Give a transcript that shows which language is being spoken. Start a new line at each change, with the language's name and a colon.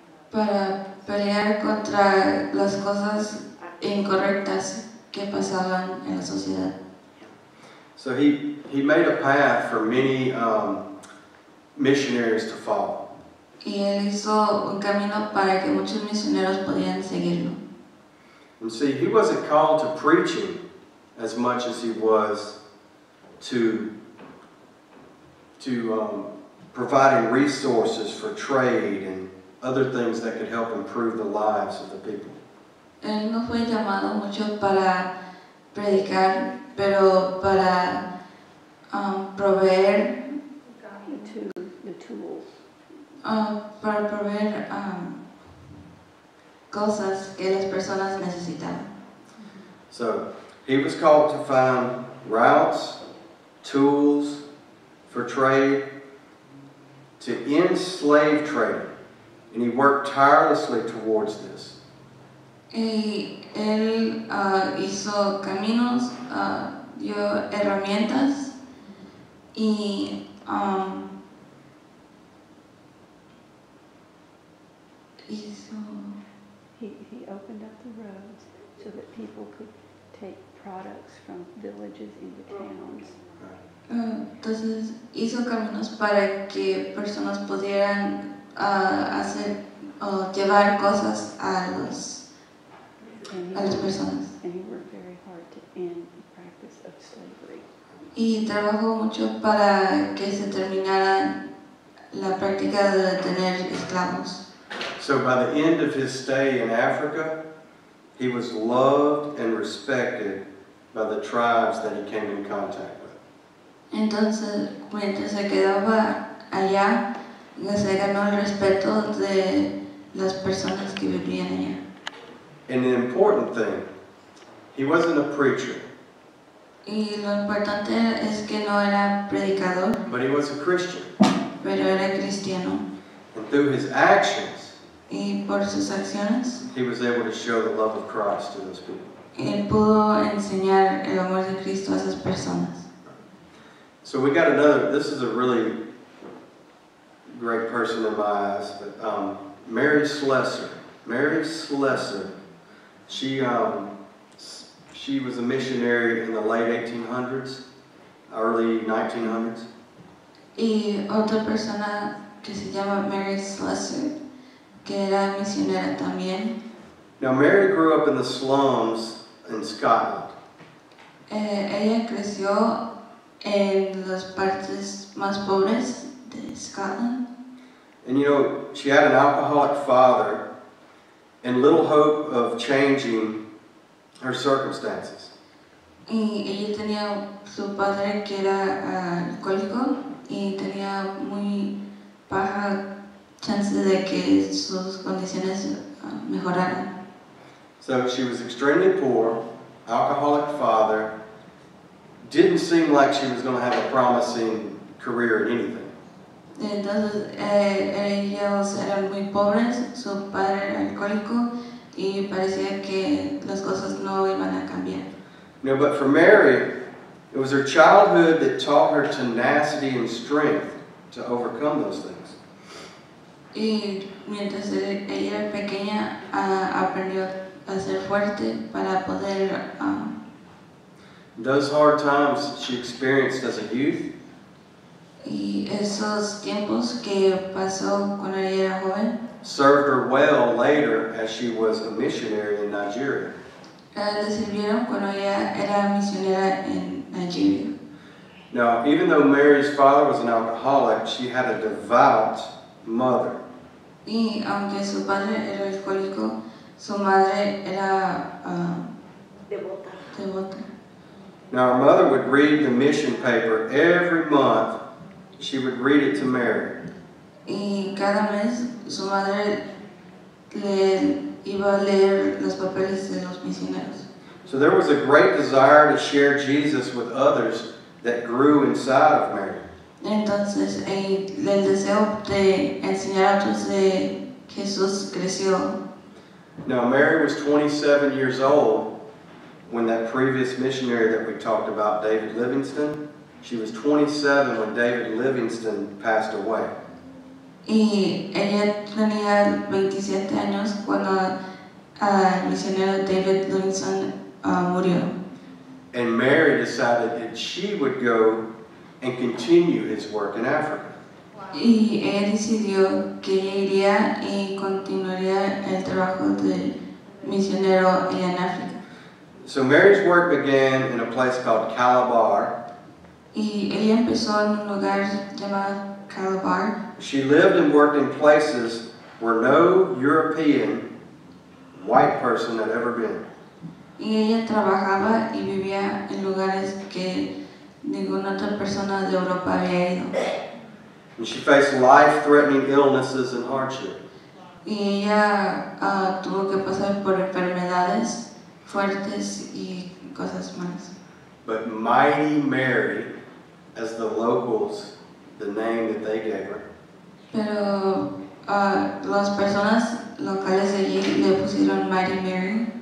Spanish: Para pelear contra las cosas incorrectas que pasaban en la sociedad.
English: So he made a path for many missionaries to follow.
Spanish: Y él hizo un camino para que muchos misioneros podían seguirlo.
English: And see, he wasn't called to preaching as much as he was to providing resources for trade and other things that could help improve the lives of the people.
Spanish: Él no fue llamado mucho para predicar, pero para proveer
English: the tools.
Spanish: Para proveer cosas que las personas necesitaban.
English: So, he was called to find routes, tools for trade, to end slave trade. And he worked tirelessly towards this.
Spanish: Y él hizo caminos, dio herramientas, y hizo.
English: He opened up the roads so that people could take products from villages into towns.
Spanish: Entonces hizo caminos para que personas pudieran hacer o llevar cosas a los a las personas.
English: And he worked very hard to end the practice of slavery.
Spanish: Y trabajó mucho para que se terminara la práctica de tener esclavos.
English: So by the end of his stay in Africa, he was loved and respected by the tribes that he came in contact with.
Spanish: Entonces, mientras se quedaba allá, se ganó el respeto de las personas que vivían allá.
English: And the important thing, he wasn't a preacher.
Spanish: Y lo importante es que no era predicador.
English: But he was a Christian.
Spanish: Pero era cristiano.
English: And through his actions,
Spanish: y por sus acciones,
English: he was able to show the love of Christ to those people.
Spanish: Él pudo enseñar el amor de Cristo a esas personas.
English: So we got another, this is a really great person in my eyes, but Mary Slessor, she was a missionary in the late 1800s, early 1900s.
Spanish: y otra persona que se llama Mary Slessor, que era misionera también.
English: Now Mary grew up in the slums in Scotland.
Spanish: Ella creció en las partes más pobres de Scotland.
English: And you know, she had an alcoholic father and little hope of changing her circumstances.
Spanish: Y ella tenía su padre que era alcohólico y tenía muy baja chance de que sus condiciones mejoraran.
English: So she was extremely poor, alcoholic father, didn't seem like she was going to have a promising career in anything.
Spanish: Entonces ellos eran muy pobres, su padre era alcohólico y parecía que las cosas no iban a cambiar.
English: No, but for Mary, it was her childhood that taught her tenacity and strength to overcome those things.
Spanish: Y mientras ella era pequeña, aprendió a ser fuerte para poder.
English: Those hard times she experienced as a youth.
Spanish: Y esos tiempos que pasó cuando ella era joven.
English: Served her well later as she was a missionary in Nigeria.
Spanish: Le sirvieron cuando ella era misionera en Nigeria.
English: Now, even though Mary's father was an alcoholic, she had a devout mother.
Spanish: Y aunque su padre era alcohólico, su madre era devota.
English: Now, her mother would read the mission paper every month. She would read it to Mary.
Spanish: Y cada mes, su madre le iba a leer los papeles de los misioneros.
English: So there was a great desire to share Jesus with others that grew inside of Mary.
Spanish: Entonces, el deseo de enseñar a otros de Jesús creció.
English: Now, Mary was 27 years old when that previous missionary that we talked about, David Livingston, she was 27 when David Livingston passed away.
Spanish: Y ella tenía 27 años cuando el misionero David Livingston murió.
English: And Mary decided that she would go and continue his work in Africa.
Spanish: Y ella decidió que ella iría y continuaría el trabajo del misionero en África.
English: So Mary's work began in a place called Calabar.
Spanish: Y ella empezó en un lugar llamado Calabar.
English: She lived and worked in places where no European white person had ever been.
Spanish: Y ella trabajaba y vivía en lugares que ninguna otra persona de Europa había ido.
English: And she faced life-threatening illnesses and hardship.
Spanish: Y ella tuvo que pasar por enfermedades fuertes y cosas malas.
English: But Mighty Mary, as the locals, the name that they gave her.
Spanish: Pero las personas locales allí le pusieron Mighty Mary.